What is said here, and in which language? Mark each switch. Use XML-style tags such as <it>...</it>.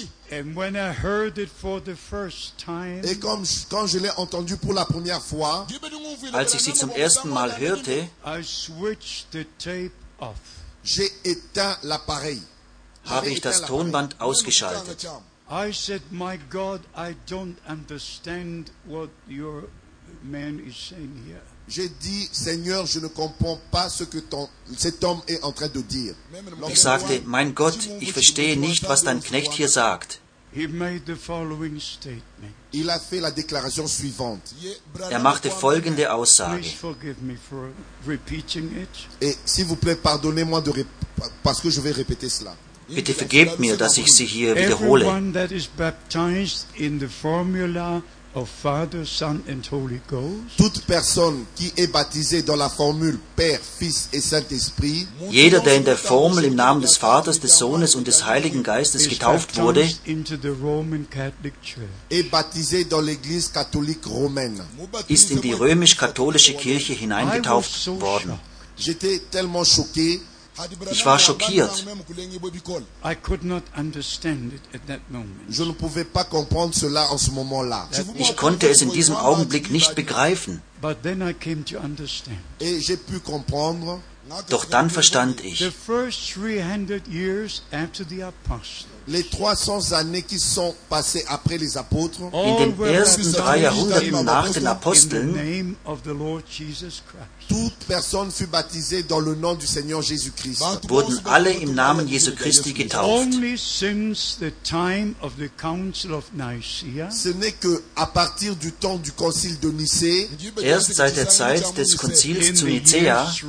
<en>And when I heard it for the first time,</en> <fr>et quand je l'ai entendu pour la première fois,</fr> <de>als ich sie zum ersten Mal hörte,</de> <en>I switched the tape.</en> <fr>J'ai éteint l'appareil.</fr> <de>Habe ich das Tonband ausgeschaltet.</de> <en>I said, my God, I don't understand what your man is saying here.</en> <fr>J'ai dit, Seigneur, je ne comprends pas ce que cet homme est en train de dire.</fr> <de>Ich sagte, mein Gott, ich verstehe nicht, was dein Knecht hier sagt.</de> <en>He made the following statement.</en> <fr>Il a fait la déclaration suivante.</fr> <de>Er machte folgende Aussage.</de> <en>Please forgive me for repeating it.</en> <fr>Et s'il vous plaît, pardonnez-moi de parce que je vais répéter cela.</fr> <de>Bitte vergebt mir, dass ich sie hier wiederhole.</de> <en>Everyone that is baptized in the formula of Father, Son and Holy Ghost.</en> <fr>Toute personne qui est baptisée dans la formule Père, Fils et Saint-Esprit.</fr> <de>Jeder, der in der Formel im Namen des Vaters, des Sohnes und des Heiligen Geistes getauft wurde,</de> <fr>est baptisé dans l'Église catholique romaine.</fr> <de>Ist in die römisch-katholische Kirche hineingetauft worden.</de> <fr>J'étais tellement choqué.</fr> <de>Ich war schockiert.</de> <en>I could not understand it at that moment.</en> <fr>Je ne pouvais pas comprendre cela en ce moment-là.</fr> <de>Ich konnte es in diesem Augenblick nicht begreifen.</de> <en>But then I came to understand.</en> <fr>Et j'ai pu comprendre.</fr> <de>Doch dann verstand ich.</de> <en>The first 300 years after the apostles.</en> <fr>Les 300 années qui sont passées après les apôtres.</fr> <de>In den ersten drei Jahrhunderten nach den Aposteln.</de> <en>In the name of the Lord Jesus Christ.</en> <fr>Toute personne fut baptisée dans le nom du Seigneur Jésus-Christ.</fr> <de>Wurden alle im Namen Jésus Christi getauft.</de> <en>Only since the time of the Council of Nicaea.</en> <fr>Ce n'est que à partir du temps du Concile de Nicée.</fr> <de>Erst seit der Zeit des Konzils zu Nicea.</de>